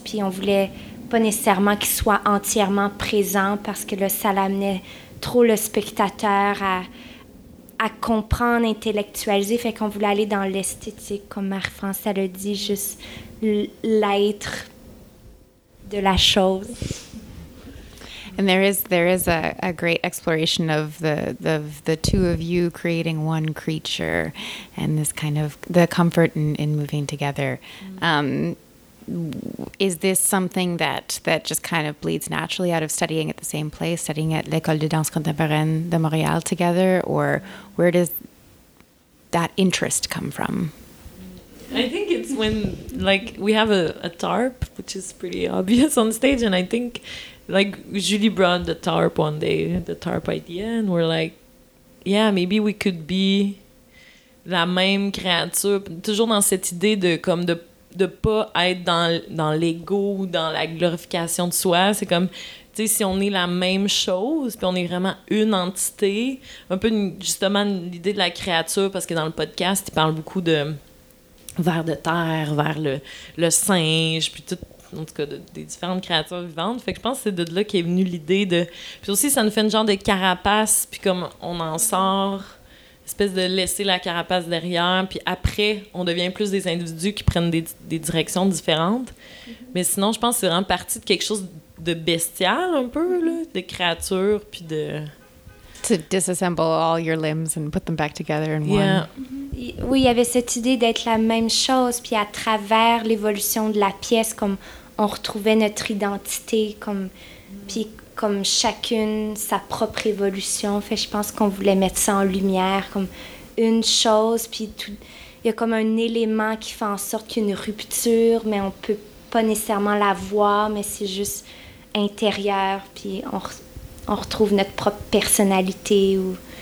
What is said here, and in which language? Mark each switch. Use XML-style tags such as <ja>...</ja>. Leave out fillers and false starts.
<fr>Puis on voulait pas nécessairement qu'il soit entièrement présent parce que là, ça l'amenait trop le spectateur à comprendre, intellectualiser. Fait qu'on voulait aller dans l'esthétique, comme Marie-France l'a dit, juste l'être de la chose.</fr> <en>And there is a great exploration of the two of you creating one creature, and this kind of the comfort in moving together. Mm-hmm. Is this something that just kind of bleeds naturally out of studying at the same place, studying at L'École de danse contemporaine de Montréal together, or where does that interest come from? I think it's when like we have a tarp, which is pretty obvious on stage, and I think. Like, Julie brought the tarp one day, the tarp idea, and we're like, yeah, maybe we could be</en> <fr>la même créature. Toujours dans cette idée de comme de pas être dans l'ego ou dans la glorification de soi. C'est comme, tu sais, si on est la même chose, puis on est vraiment une entité, un peu justement l'idée de la créature, parce que dans le podcast, il parle beaucoup de vers de terre, vers le singe, puis tout. En tout cas, des différentes créatures vivantes. Fait que je pense que c'est de là qu'est venue l'idée de... Puis aussi, ça nous fait une genre de carapace, puis comme on en sort, espèce de laisser la carapace derrière, puis après, on devient plus des individus qui prennent des directions différentes. Mm-hmm. Mais sinon, je pense que c'est vraiment partie de quelque chose de bestial, un peu, là, de créature, puis de...</fr> <en>To disassemble all your limbs and put them back together in yeah. one.</en> <fr>Oui, il y avait cette idée d'être la même chose, puis à travers l'évolution de la pièce, comme on retrouvait notre identité, comme, puis comme chacune sa propre évolution. Fait, je pense qu'on voulait mettre ça en lumière, comme une chose, puis tout, il y a comme un élément qui fait en sorte qu'il y a une rupture, mais on ne peut pas nécessairement la voir, mais c'est juste intérieur, puis on retrouve notre propre personnalité ou...</fr>